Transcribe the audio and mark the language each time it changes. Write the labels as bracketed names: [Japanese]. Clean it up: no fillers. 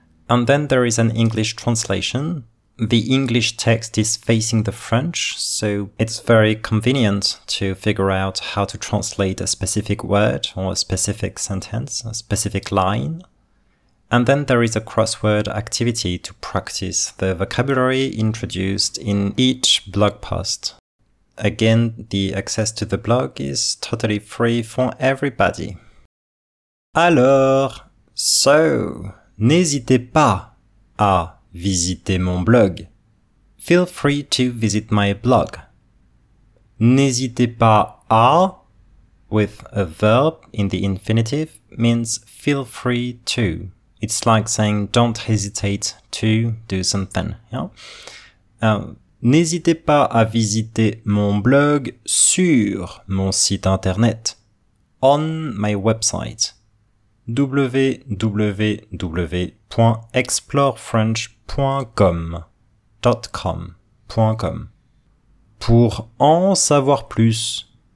[English] And then there is an English translation. The English text is facing the French, so it's very convenient to figure out how to translate a specific word or a specific sentence, a specific line. And then there is a crossword activity to practice the vocabulary introduced in each blog post. Again, the access to the blog is totally free for everybody. [French] Alors, so, n'hésitez pas à visitez mon blog. [English] Feel free to visit my blog. [French] N'hésitez pas à, [English] with a verb in the infinitive, means feel free to. It's like saying don't hesitate to do something. Yeah? [French] N'hésitez pas à visiter mon blog sur mon site internet. [English] On my website. [French] www.explorefrench.com pour en savoir plus,